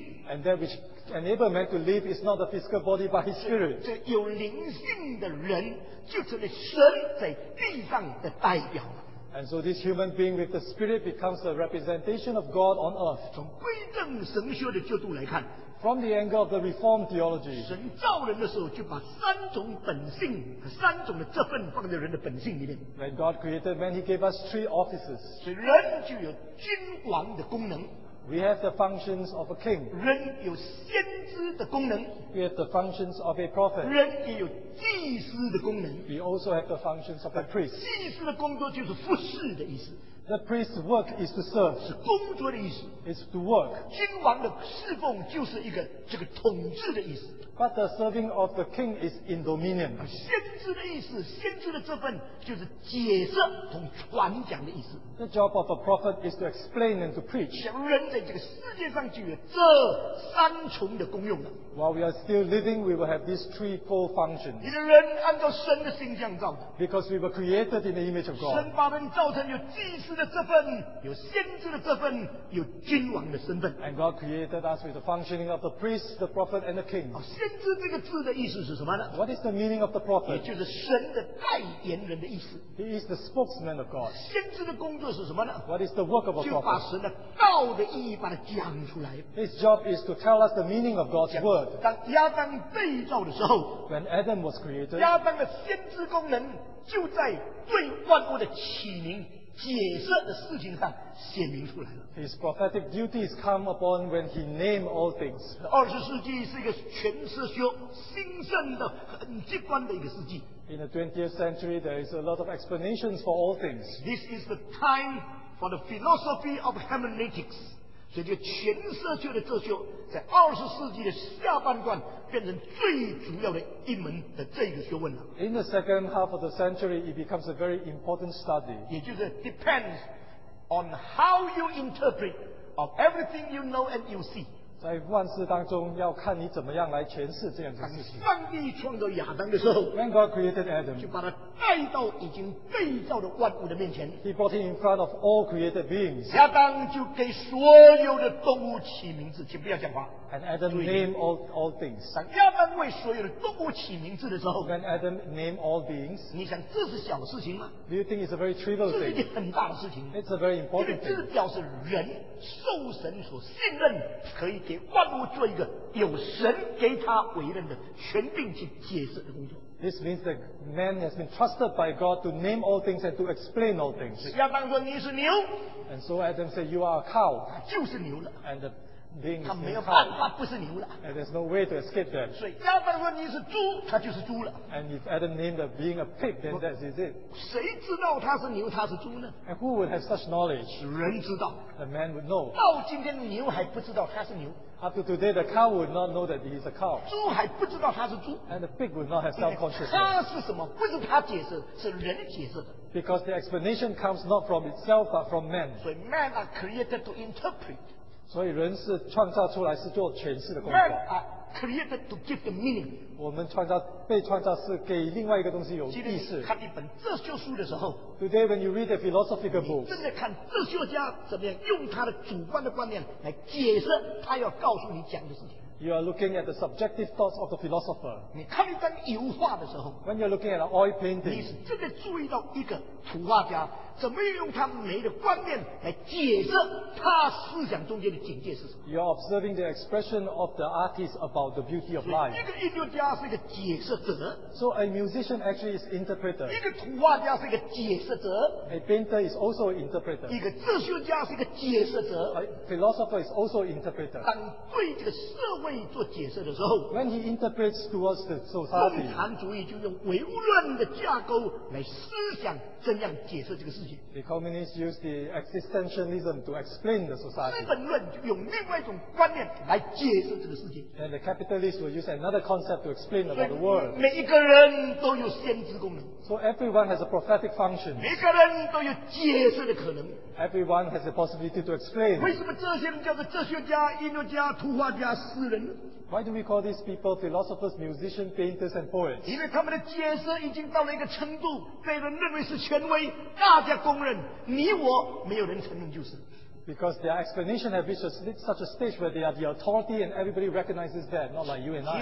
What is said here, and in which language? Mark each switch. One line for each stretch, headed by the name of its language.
English: And that which enables man to live is not the physical body but his spirit. So And so this human being with the spirit becomes a representation of God on earth.
Chinese: 从归正神学的角度来看,
English: from the angle of the Reformed theology,
Chinese: 神造人的时候就把三种本性和三种的这份放在人的本性里面。
English: When God created man, he gave us three offices.
Chinese: 所以人就有君王的功能。
English: We have the functions of a king.
Chinese: 人有先知的功能。
English: We have the functions of a prophet.
Chinese: 人也有祭司的功能。
English: We also have the functions of a priest.
Chinese: 祭司的工作就是服侍的意思。
English: The priest's work is to serve.
Chinese: 是工作的意思。
English: It's to work.
Chinese: 君王的侍奉就是一个这个统治的意思。
English: But the serving of the king is in dominion.
Chinese: 先知的意思，先知的这份就是解释和传讲的意思。
English: The job of a prophet is to explain and to preach.
Chinese: 像人在这个世界上就有这三重的功用。
English: While we are still living, we will have these threefold functions.
Chinese: 你的人按照神的形象造的。
English: Because we were created in the image of God.
Chinese: 神把人造成有祭司的这份，有先知的这份，有君王的身份。
English: And God created us with the functioning of the priest, the prophet, and the king.
Chinese: 先知这个字的意思是什么呢？
English: What is the meaning of the prophet?
Chinese: 也就是神的代言人的意思。
English: He is the spokesman of God.
Chinese: 先知的工作是什么呢？
English: What is the work of a prophet?
Chinese: 就把神的道的意义把它讲出来。
English: His job is to tell us the meaning of God's word.
Chinese: 当亚当被造的时候，
English: When Adam was created,
Chinese: 亚当的先知功能就在对万物的启明解释的事情上显明出来了。
English: His prophetic duties come upon when he named all things.
Chinese: 二十世纪是一个全思修兴盛的很极端的一个世纪。
English: In the 20th century, there is a lot of explanations for all things. This is the time for the philosophy of hermeneutics.
Chinese: 所以这个全思修的哲学在二十世纪的下半段变成最主要的一门的这个学问了。
English: In the second half of the century, it becomes a very important study.
Chinese: 也就是
English: depends on how you interpret of everything you know and you see.
Chinese: 在万事当中要看你怎么样来诠释这样的事情。当上帝创造亚当的时候，
English: When God created Adam,
Chinese: 就把他带到已经被造的万物的面前。
English: He brought him in front of all created beings.
Chinese: 亚当就给所有的动物起名字，请不要讲话。
English: And Adam named all things.
Chinese: 当亚当为所有的动物起名字的时候，
English: When Adam named all beings,
Chinese: 你想这是小事情吗？
English: Do you think it's a very trivial thing?
Chinese: 这是一件很大的事情。
English: It's a very important thing.
Chinese: 因为这表示人受神所信任，可以给万物做一个有神给他委任的权柄去解释的工作。
English: This means that man has been trusted by God to name all things and to explain all things.
Chinese: 亚当说你是牛。
English: And so Adam said, you are a cow.
Chinese: 就是牛了。
English: And the being
Chinese: 他没有办法不是牛了。
English: And there's no way to escape that.
Chinese: 所以亚当说你是猪，他就是猪了。
English: And if Adam named a being a pig, then that is it.
Chinese: 谁知道他是牛，他是猪呢？
English: And who would have such knowledge?
Chinese: 人知道。
English: The man would know.
Chinese: 到今天牛还不知道他是牛。
English: Up to today, the cow would not know that he is a cow.
Chinese: 猪还不知道他是猪。
English: And the pig would not have self-consciousness.
Chinese: 他是什么？不是他解释，是人解释的。
English: Because the explanation comes not from itself, but from man.
Chinese: 所以
English: man are created to interpret.
Chinese: 所以人是创造出来是做诠释的工作。
English: Man are created to give the meaning.
Chinese: 我们创造被创造是给另外一个东西有意思。看一本哲学书的时候。
English: Today, when you read a philosophical book,
Chinese: 你正在看哲学家怎么样用他的主观的观念来解释他要告诉你讲的事情。
English: You are looking at the subjective thoughts of the philosopher.
Chinese: 你看一张油画的时候。
English: When you're looking at an oil painting,
Chinese: 你是正在注意到一个图画家怎么用他美的观念来解释他思想中间的境界是什么。
English: You are observing the expression of the artist about the beauty of life.
Chinese: 一个音乐家是一个解释者。
English: So a musician actually is interpreter.
Chinese: 一个图画家是一个解释者。
English: A painter is also an interpreter.
Chinese: 一个哲学家是一个解释者。
English: A philosopher is also an interpreter.
Chinese: 当对这个社会做解释的时候，
English: When he interprets towards the society,
Chinese: 共产主义就用唯物论的架构来思想怎样解释这个事情。
English: The communists use the existentialism to explain the society.
Chinese: 资本论就用另外一种观念来解释这个事情。
English: And the capitalists will use another concept to explain about the world.
Chinese: 每一个人都有先知功能。
English: So everyone has a prophetic function.
Chinese: 每个人都有解释的可能。
English: Everyone has a possibility to explain.
Chinese: 为什么这些人叫做哲学家、音乐家、图画家、诗人？
English: Why do we call these people philosophers, musicians, painters, and poets?
Chinese: 因为他们的解释已经到了一个程度，被人认为是权威，大家公认，你我没有人承认就是。
English: Because their explanation have reached such a stage where they are the authority and everybody recognizes that, not like you and I.